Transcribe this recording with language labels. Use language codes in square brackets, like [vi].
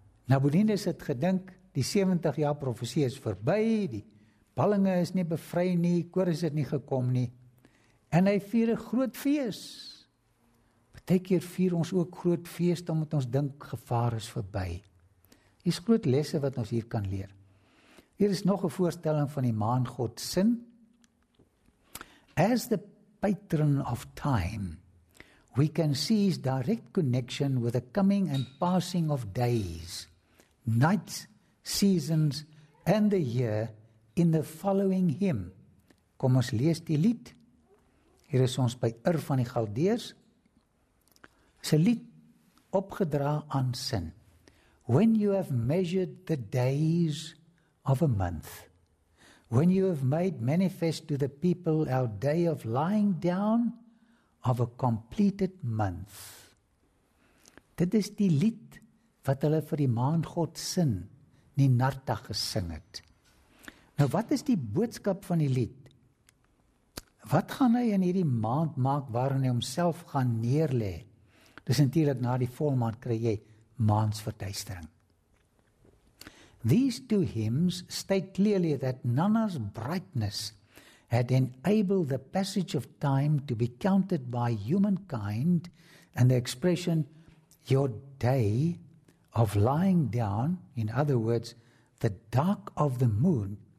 [af] Nabonides het gedink, die 70 jaar profesie is verby, die ballinge is nie bevry nie, Kores het nie gekom nie. En hy vier 'n groot fees. Partykeer vier ons ook groot fees, omdat ons dink gevaar is verby. Hier is groot lesse wat ons hier kan leer. Hier is nog 'n voorstelling van die maangod Sin. [en] As the patron of time, we can see his direct connection with the coming and passing of days, nights, seasons and the year in the following hymn. [af] Kom ons lees die lied. Hier is ons by Ur van die Galdeers. Sy lied opgedra aan Sin. [en] When you have measured the days of a month, when you have made manifest to the people our day of lying down of a completed month. [af] Dit is die lied wat hulle vir die maangod Sin, Ninarta, gesing het. Nou wat is die boodskap van die lied? Wat gaan hy in hierdie maand maak waarin hy homself gaan neerlê? Dis natuurlik na die volmaan kry jy maansverduistering. [en] These two hymns state clearly that Nana's brightness had enabled the passage of time to be counted by humankind and the expression your day of lying down, in other words, the dark of the moon,